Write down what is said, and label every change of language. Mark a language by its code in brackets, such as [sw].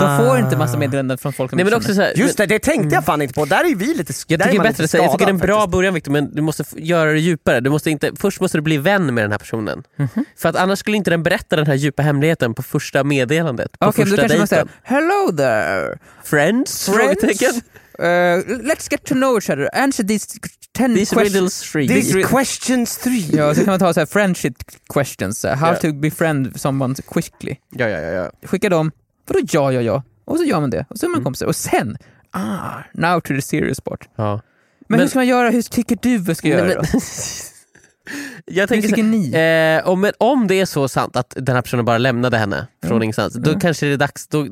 [sv] De får inte massa meddelanden från folk. Nej, men också så här, just det, det tänkte jag fan inte på. Där är vi lite skadade. Jag tycker det är en faktiskt bra början, Victor, men du måste göra det djupare. Du måste inte, först måste du bli vän med den här personen. Mm-hmm. För att annars skulle inte den berätta den här djupa hemligheten på första meddelandet. Okej, [en] okay, [sv] du kanske måste säga, [en] hello there. Friends? Let's get to know each other. Answer these 10 riddles three. These questions three. [sv] Ja, så kan man ta så här, [en] friendship questions. How to befriend someone quickly. [sv] Ja. Skicka dem. För då ja. Och så gör man det. Och så är man kompisar. Och sen, [en] now to the serious part. [sv] Ja. Men hur ska man göra? Hur tycker du vad ska göra då? Jag tänker, hur tycker ni? Om det är så sant att den här personen bara lämnade henne från ingenstans, då kanske det är dags.